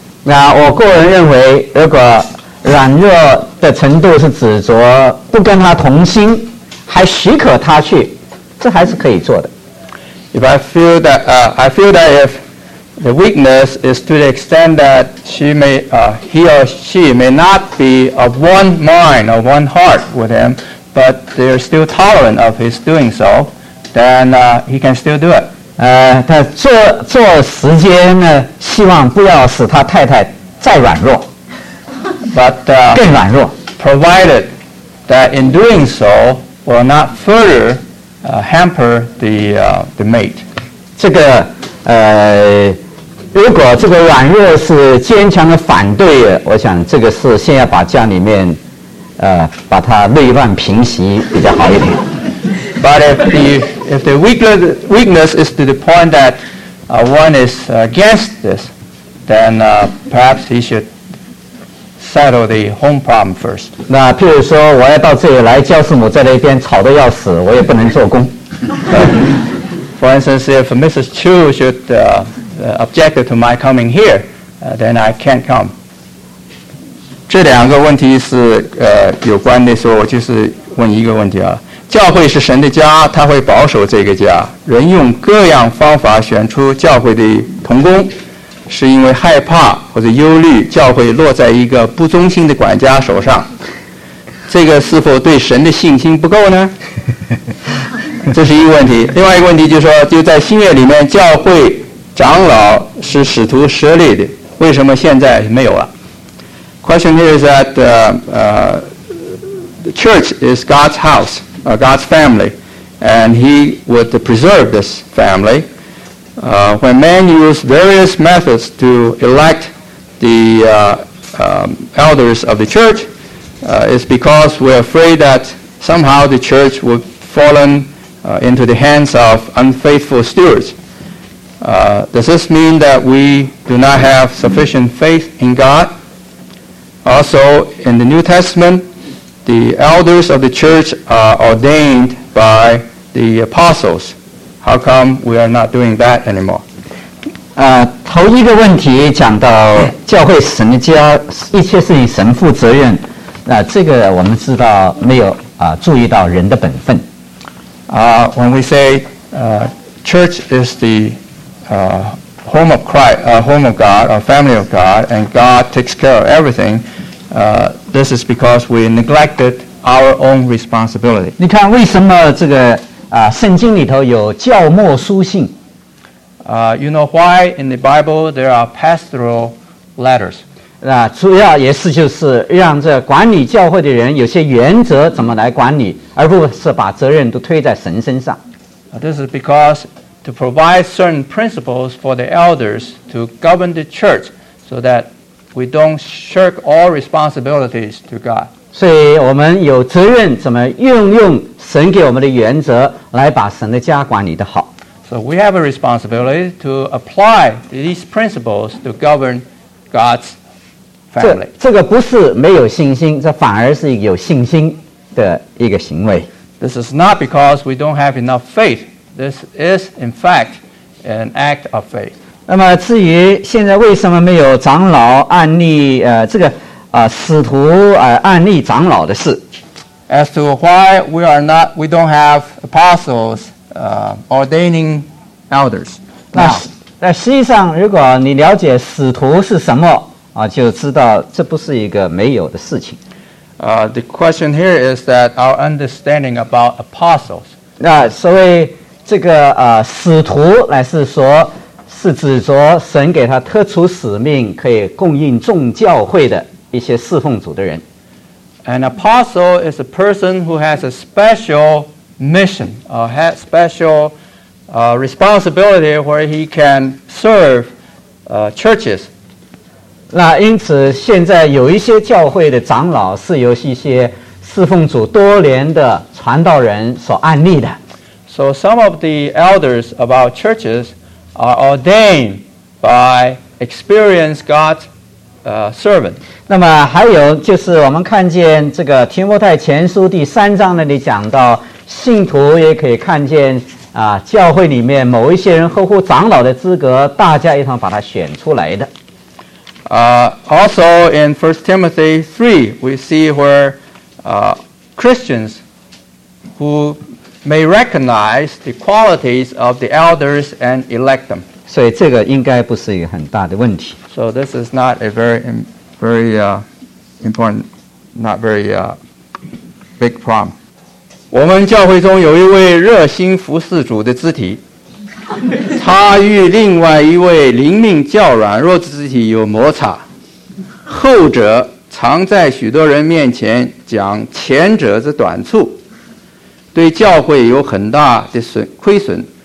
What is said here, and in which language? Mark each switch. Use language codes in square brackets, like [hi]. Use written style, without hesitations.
[zh] 那我个人认为，如果软弱的程度是指着不跟他同心，还许可他去，这还是可以做的。 [en] If I feel that if the weakness is to the extent that she may, he or she may not be of one mind or one heart with him, but they are still tolerant of his doing so, then he can still do it. [zh] 他做时间呢，希望不要使他太太再软弱。 [en] But, [zh] 更软弱。 [en] Provided that in doing so will not further hamper the mate. [zh] 这个如果这个软弱是坚强的反对，我想这个是先要把家里面把它内乱平息比较好一点。 [en] But if the weakness is to the point that one is against this, then perhaps he should settle the home problem first. [zh] 那譬如说我要到这里来，教师母在那边吵得要死，我也不能做工。 [en] For instance, if Mrs. Chu should object to my coming here, then I can't come. [zh] 这两个问题是有关的时候，我就是问一个问题啊。教会是神的家，他会保守这个家。人用各样方法选出教会的同工，是因为害怕或者忧虑教会落在一个不忠心的管家手上。这个是否对神的信心不够呢？这是一个问题。另外一个问题就是说，就在新约里面，教会长老是使徒设立的，为什么现在没有了？ [en] Question here is that the church is God's house. God's family, and he would preserve this family. When men use various methods to elect the elders of the church, it's because we're afraid that somehow the church would fallen into the hands of unfaithful stewards. Does this mean that we do not have sufficient faith in God? Also, in the New Testament,The elders of the church are ordained by the apostles. How come we are not doing that anymore? [zh] 头一个问题讲到教会是神的家，一切事情神负责任。那这个我们知道没有注意到人的本分。 [en] When we say church is the home of Christ, home of God, a family of God, and God takes care of everything. This is because we neglected our own responsibility. [zh] 你看为什么这个圣经里头有教牧书信？ [en] You know why in the Bible there are pastoral letters? [zh] 主要也是就是让这管理教会的人有些原则怎么来管理，而不是把责任都推在神身上。 [en] This is because to provide certain principles for the elders to govern the church so thatWe don't shirk all responsibilities to God. [zh] 所以我们有责任怎么运用神给我们的原则来把神的家管理得好。 [en] So we have a responsibility to apply these principles to govern God's family. [zh] 这个不是没有信心，这反而是有信心的一个行为。 [en] This is not because we don't have enough faith. This is, in fact, an act of faith. [zh] 那么至于现在为什么没有长老案例这个使徒案例长老的事。 [en] As to why we don't have apostles ordaining elders. [zh] 那实际上如果你了解使徒是什么就知道这不是一个没有的事情。 [en] The question here is that our understanding about apostles. [zh] 那所谓这个使徒乃是说是指着神给他特殊使命可以供应众教会的一些侍奉主的人。 [en] An apostle is a person who has a special mission, or has special responsibility where he can serve churches. [zh] 那因此现在有一些教会的长老是由一些侍奉主多年的传道人所安立的。 [en] So some of the elders of our churches,are ordained by experienced God's servant. [zh] 那么还有就是我们看见这个提摩太前书第三章那里讲到信徒也可以看见教会里面某一些人合乎长老的资格大家一同把他选出来的。 [en] Also in 1 Timothy 3, we see where Christians who...may recognize the qualities of the elders and elect them. [zh] 所以这个应该不是一个很大的问题。 [en] So this is not a very, very, important, not very, big problem. [zh] 我们教会中有一位热心服侍主的肢体，他与另外一位灵命较软弱的肢体有摩擦，后者常在许多人面前讲前者之短处，对教会有很大的损亏损。